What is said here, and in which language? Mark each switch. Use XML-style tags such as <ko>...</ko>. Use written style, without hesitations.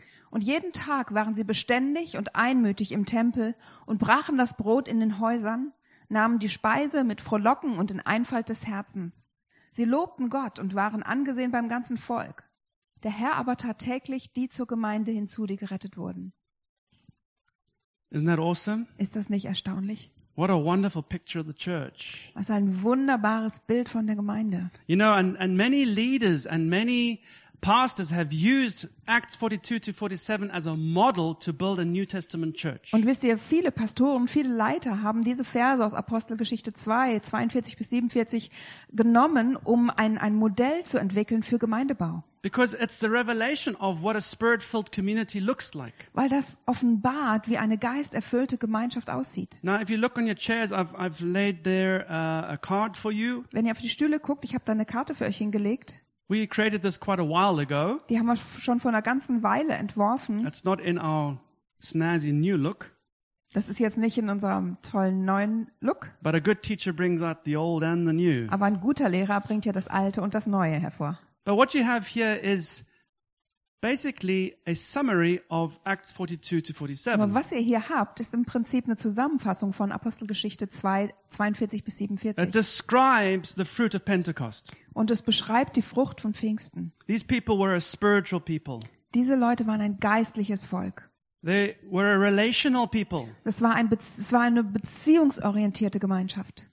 <de>Und jeden Tag waren sie beständig und einmütig im Tempel und brachen das Brot in den Häusern, nahmen die Speise mit Frohlocken und in Einfalt des Herzens. Sie lobten Gott und waren angesehen beim ganzen Volk. Der Herr aber tat täglich die zur Gemeinde hinzu, die gerettet wurden.</de> <en>Isn't that awesome?</en> <de>Ist das nicht erstaunlich?</de> <en>What a wonderful picture of the church.</en> <de>Was ein wunderbares Bild von der Gemeinde.</de> <en>You know, and many leaders and many pastors have used Acts 42 to 47 as a model to build a New Testament church.</en> <de>Und wisst ihr, viele Pastoren, viele Leiter haben diese Verse aus Apostelgeschichte 2, 42 bis 47 genommen, um ein Modell zu entwickeln für Gemeindebau.</de> <en>Because it's the revelation of what a spirit-filled community looks like.</en> <de>Weil das offenbart, wie eine geisterfüllte Gemeinschaft aussieht.</de> <en>Now, if you look on your chairs, I've laid there a card for you.</en> <de>Wenn ihr auf die Stühle guckt, ich habe da eine Karte für euch hingelegt.</de> <en>We created this quite a while ago.</en> <de>Die haben wir schon vor einer ganzen Weile entworfen.</de> <en>It's not in our snazzy new look.</en> <de>Das ist jetzt nicht in unserem tollen neuen Look.</de> <en>But a good teacher brings out the old and the new.</en> <de>Aber ein guter Lehrer bringt ja das Alte und das Neue hervor.</de> <en>But what you have here is Basically a summary of Acts 42 to 47.</en> <de>Aber was ihr hier habt, ist im Prinzip eine Zusammenfassung von Apostelgeschichte 2, 42 bis 47.</de> <en>It describes the fruit of Pentecost.</en> <de>Und es beschreibt die Frucht von Pfingsten.</de> <en>These people were a spiritual people.</en> <de>Diese Leute waren ein geistliches Volk.</de> <en>They were a relational people.</en> <de>Es war eine beziehungsorientierte Gemeinschaft.</de>